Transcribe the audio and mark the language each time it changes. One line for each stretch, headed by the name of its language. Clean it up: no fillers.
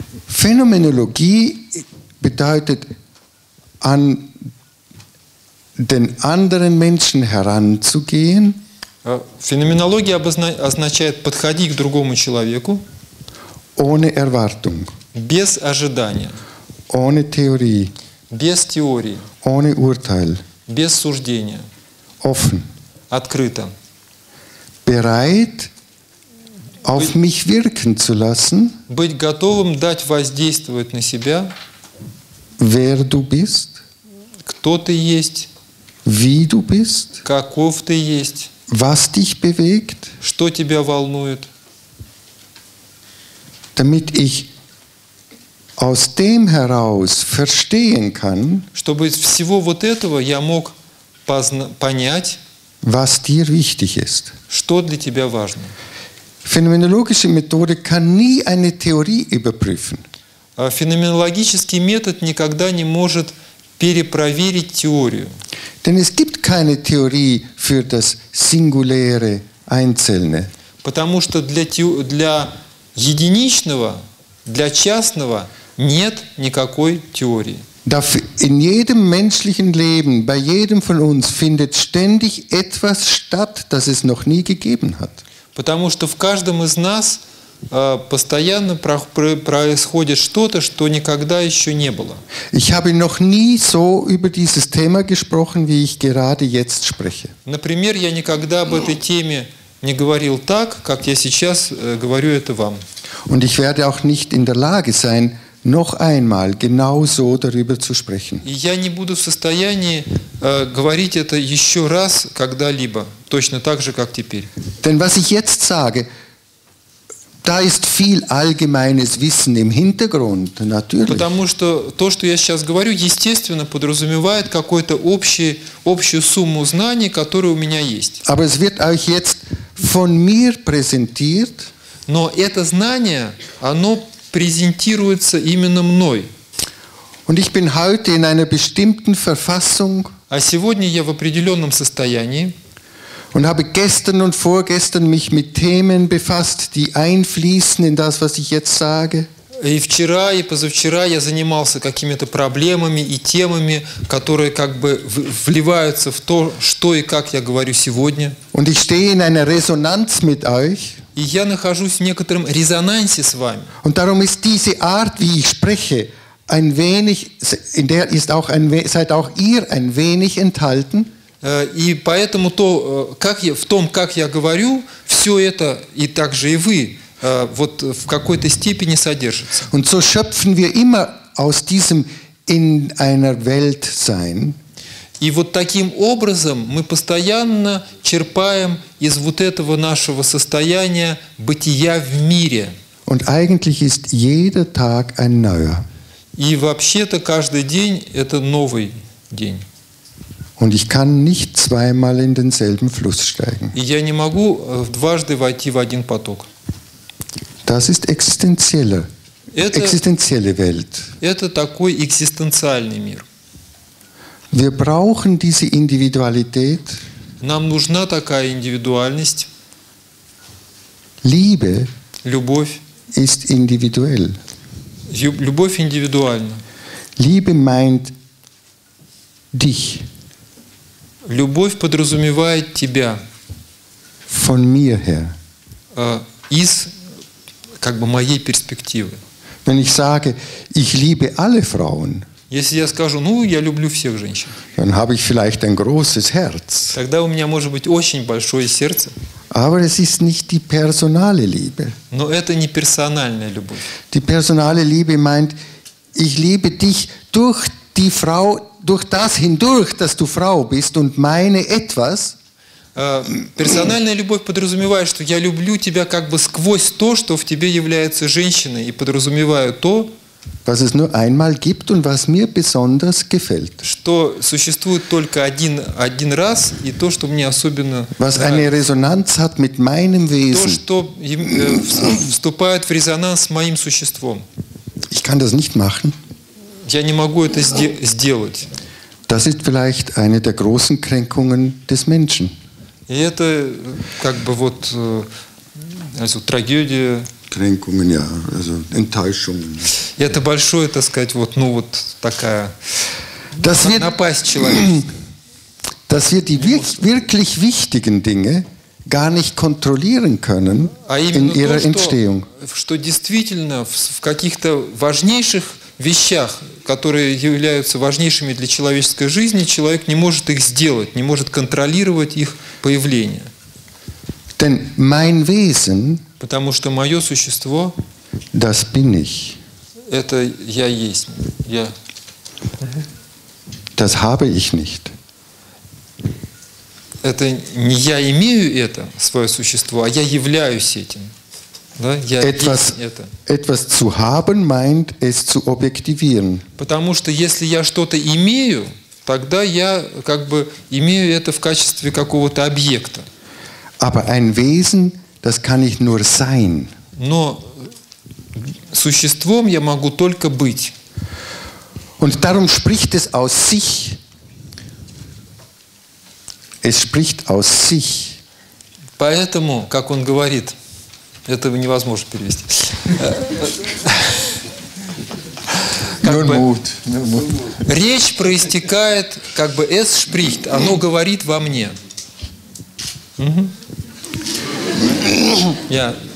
German: Феноменология bedeutet, an den anderen Menschen heranzugehen.
Russian: Феноменология означает подходи к другому человеку
German: ohne Erwartung,
Russian: без ожидания,
German: ohne Theorie,
Russian: без теории,
German: ohne Urteil,
Russian: без суждения,
German: offen,
Russian: открыто,
German: bereit, auf mich wirken zu lassen,
Russian: быть готовым дать воздействовать на себя,
German: wer du bist,
Russian: кто ты есть,
German: wie du bist,
Russian: каков ты есть.
German: Was dich bewegt,
Russian: что тебя волнует,
German: damit ich aus dem heraus verstehen kann,
Russian: чтобы из всего вот этого я мог понять,
German: was dir wichtig ist,
Russian: что для тебя важно.
German: Phänomenologische Methode kann nie eine Theorie überprüfen.
Russian: Феноменологический метод никогда не может перепроверить теорию.
German: Denn es gibt keine Theorie für das singuläre Einzelne.
Russian: Потому что для единичного, для частного нет никакой теории.
German: In jedem menschlichen Leben, bei jedem von uns, findet ständig etwas statt, das es noch nie gegeben hat.
Russian: Потому что в каждом из нас Постоянно происходит что-то, что никогда еще не было.
German: Ich habe noch nie so über dieses Thema gesprochen, wie ich gerade jetzt spreche.
Russian: Например, я никогда об этой теме не говорил так, как я сейчас говорю это вам.
German: Und ich werde auch nicht in der Lage sein, noch einmal genau so darüber zu sprechen.
Russian: Я не буду в состоянии говорить это еще раз когда-либо, точно так же, как теперь.
German: Denn was ich jetzt sage, da ist viel allgemeines Wissen im Hintergrund, natürlich.
Russian: Потому что то, что я сейчас говорю, естественно, подразумевает какую-то общую сумму знаний, которые у меня есть.
German: Aber es wird euch jetzt von mir präsentiert.
Russian: Но это знание, оно презентируется именно мной.
German: Und ich bin heute in einer bestimmten Verfassung.
Russian: А сегодня я в определенном состоянии.
German: Und habe gestern und vorgestern mich mit Themen befasst, die einfließen in das, was ich jetzt sage.
Russian: И вчера, и позавчера я занимался какими-то проблемами и темами, которые как бы вливаются в то, что и как я говорю сегодня.
German: Und ich stehe in einer Resonanz mit euch.
Russian: И я нахожусь в некотором резонансе с вами.
German: Und darum ist diese Art, wie ich spreche, ein wenig, in der ist auch ein, seid auch ihr ein wenig enthalten.
Russian: И поэтому то, как я, в том, как я говорю, все это, и также и вы, вот в какой-то степени содержится.
German: Und so schöpfen wir immer aus diesem in einer Welt sein.
Russian: И вот таким образом мы постоянно черпаем из вот этого нашего состояния бытия в мире.
German: Und eigentlich ist jeder Tag ein neuer.
Russian: И вообще-то каждый день – это новый день.
German: Und ich kann nicht zweimal in denselben Fluss steigen.
Russian: Я не могу дважды войти в один поток.
German: Das ist existenzielle, existenzielle Welt.
Russian: Это такой экзистенциальный мир.
German: Wir brauchen diese Individualität.
Russian: Нам нужна такая индивидуальность.
German: Liebe.
Russian: Любовь.
German: Ist individuell.
Russian: Любовь индивидуальна.
German: Liebe meint dich.
Russian: Любовь подразумевает тебя.
German: Von mir her.
Russian: Из как бы моей перспективы.
German: Wenn ich sage, ich liebe alle Frauen,
Russian: если я скажу, ну, я люблю всех женщин,
German: dann habe ich vielleicht ein großes Herz.
Russian: Тогда у меня может быть очень большое сердце.
German: Aber es ist nicht die personale Liebe.
Russian: Но это не персональная любовь.
German: Die personale Liebe meint, ich liebe dich durch die Frau, durch das hindurch, dass du Frau bist und meine etwas.
Russian: Персональная любовь подразумевает, что я люблю тебя как бы сквозь то, что в тебе является женщиной, и подразумеваю то,
German: was es nur einmal gibt und was mir besonders gefällt.
Russian: Что существует только один раз, и то, что мне особенно
German: was eine Resonanz hat mit meinem Wesen.
Russian: То, что вступает в резонанс с моим существом.
German: Ich kann das nicht machen.
Russian: Я не могу это сделать.
German: Das ist vielleicht eine der großen Kränkungen des Menschen.
Russian: И это как бы вот
German: also
Russian: трагедия.
German: Kränkungen, ja, also Enttäuschung.
Russian: И это большое, так сказать, вот, ну вот такая
German: das wird,
Russian: напасть человека.
German: Dass wir die wirklich wichtigen Dinge gar nicht kontrollieren können in ihrer Entstehung.
Russian: Что действительно в каких-то важнейших вещах, которые являются важнейшими для человеческой жизни, человек не может их сделать, не может контролировать их появление.
German: Denn mein Wesen,
Russian: потому что мое существо,
German: das bin ich.
Russian: Это я есть. Я.
German: Das habe ich nicht.
Russian: Это не я имею это, свое существо, а я являюсь этим. Да, я
German: etwas,
Russian: это.
German: Etwas zu haben meint es zu objektivieren.
Russian: Потому что если я что-то имею, тогда я как бы имею это в качестве какого-то объекта.
German: Aber ein Wesen, das kann ich nur sein.
Russian: Но существом я могу только быть.
German: Und darum spricht es aus sich. Es spricht aus sich.
Russian: Поэтому, как он говорит, этого невозможно перевести.
German: Nur Mut.
Russian: Речь проистекает, как бы
German: es spricht,
Russian: оно говорит во мне. Я